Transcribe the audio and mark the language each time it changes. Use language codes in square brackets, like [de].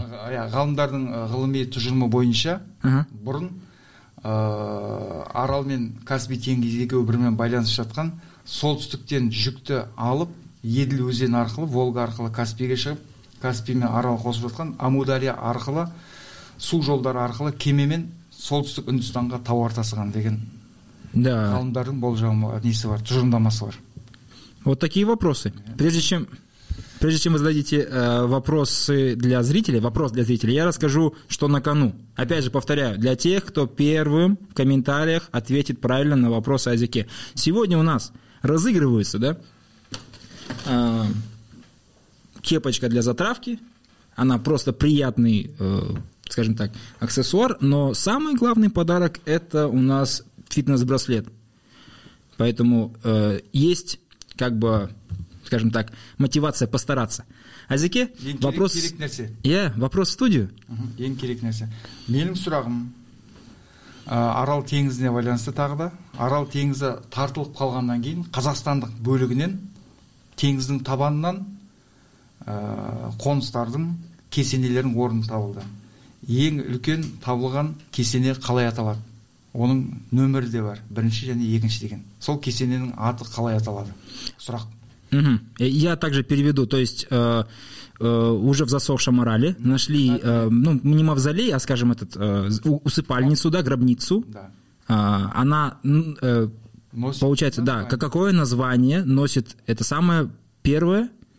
[kk] Ғалымдардың ғылыми тұжырымы бойынша, бұрын Арал мен Каспий теңізіндегі бірімен байланысып жатқан, солтүстіктен жүкті алып, Еділ өзені арқылы, Волга арқылы Каспийге шығып, Каспий мен Арал қосып жатқан, Амударья арқылы, су жолдары арқылы кемемен солтүстік Үндістанға тауар тасыған деген. [ru] Да. [kk] Ғалымдарын болжамы, несі бар, тұжырымдамасы бар. [ru] Вот такие вопросы. Прежде чем вы зададите вопрос для зрителей, я расскажу, что на кону. Опять же, повторяю, для тех, кто первым в комментариях ответит правильно на вопрос о языке. Сегодня у нас разыгрывается, да, кепочка для затравки. Она просто приятный, скажем так, аксессуар. Но самый главный подарок – это у нас фитнес-браслет. Поэтому есть, как бы, скажем так, мотивация постараться. Азеке, вопрос... вопрос в студию. [kk] Ең керек нәрсе. Менің сұрағым, Арал теңізіне байланысты тағы да. Арал теңізі тартылып қалғаннан кейін, Қазақстандық бөлігінен, теңіздің табанынан қоныстардың кесенелерін орын табылды. Ең үлкен табылған кесене қалай аталады? Оның нөмірі де бар, бірінші және екінші деген. Сол кесененің аты қалай аталады? Сұрақ. Угу. [ru] Я также переведу, то есть уже в засохшем Арале нашли, не мавзолей, а скажем, усыпальницу, да, гробницу. Да. Она, носит, получается, название. Да, какое название носит это самое первое?